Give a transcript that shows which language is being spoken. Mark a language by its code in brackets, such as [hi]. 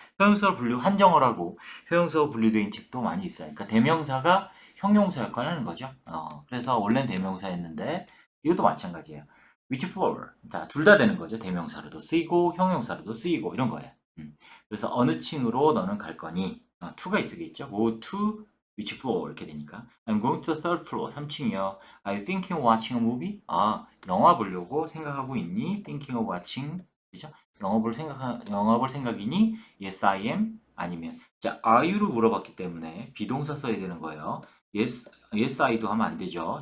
[ko] 형용사로 분류 한정어라고 형용사로 분류된 책도 많이 있어요. 그러니까 대명사가 형용사 역할을 하는 거죠. 그래서 원래는 대명사였는데 이것도 마찬가지예요. [en] Which floor? [ko] 자, 둘다 되는 거죠. 대명사로도 쓰이고 형용사로도 쓰이고 이런 거예요. 그래서 어느 층으로 너는 갈 거니? To가 있으겠죠. [en] Go to which floor? [ko] 이렇게 되니까 [en] I'm going to the third floor. [ko] 3층이요. [en] Are you thinking of watching a movie? [ko] 아, 영화 보려고 생각하고 있니? [en] Thinking of watching. [ko] 그죠? 영화 볼 생각이니? [en] Yes, I am. [ko] 아니면 자, are you를 물어봤기 때문에 비동사 써야 되는 거예요. [en] Yes, I do [ko] 하면 안 되죠.